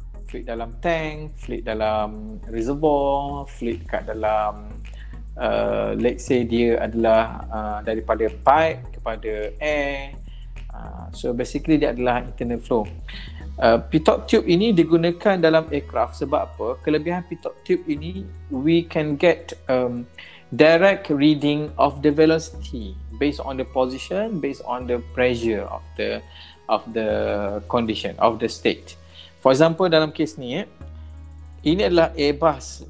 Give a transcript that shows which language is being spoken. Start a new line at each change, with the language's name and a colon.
Malay: Fluid dalam tank, fluid dalam reservoir, fluid kat dalam
English: let's say
Malay: dia adalah daripada pipe kepada air.
English: So basically
Malay: dia adalah internal flow. Pitot tube ini digunakan dalam aircraft sebab apa? Kelebihan pitot tube ini,
English: we can get direct reading of the velocity based on the position, based on the pressure of the condition, of the state. For example,
Malay: dalam kes ni, ini adalah Airbus.